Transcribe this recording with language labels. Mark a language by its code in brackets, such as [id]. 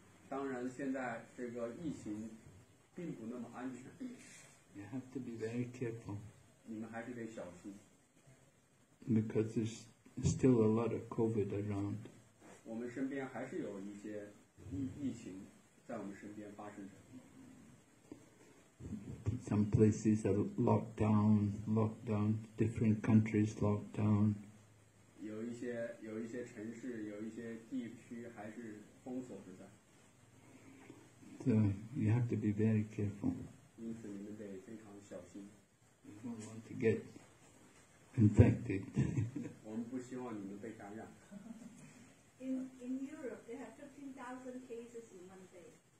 [zh] 当然，现在这个疫情并不那么安全。 [en] You have to be very careful. [zh] 你们还是得小心。 [en] Because there's still a lot of COVID around. [zh] 我们身边还是有一些疫情在我们身边发生着。 [en] Some places are locked down, different countries locked down. [zh] 有一些城市，有一些地区还是封锁着在。 [en] So you have to be very careful. [zh] 因此你们得非常小心。 [en] We don't want to get infected. [zh] 我们不希望你们被感染。 [en] In Europe, they have 15,000 cases in one day.